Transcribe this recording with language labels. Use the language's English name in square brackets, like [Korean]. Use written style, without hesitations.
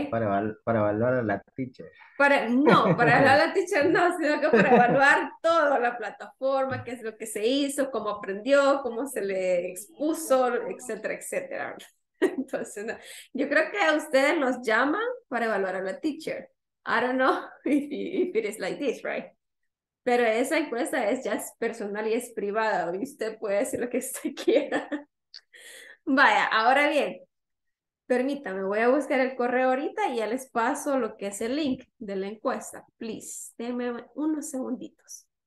[Spanish] Para evaluar a la teacher. Para evaluar a la teacher no, sino que para evaluar toda la plataforma, qué es lo que se hizo, cómo aprendió, cómo se le expuso, etcétera, etcétera. Entonces, no. Yo creo que a ustedes los llaman para evaluar a la teacher. [English] I don't know if it is like this, right? [Spanish] Pero esa encuesta es ya es personal y es privada, y usted puede decir lo que usted quiera. Vaya, ahora bien, permítame, voy a buscar el correo ahorita y ya les paso lo que es el link de la encuesta. Please, denme unos segunditos.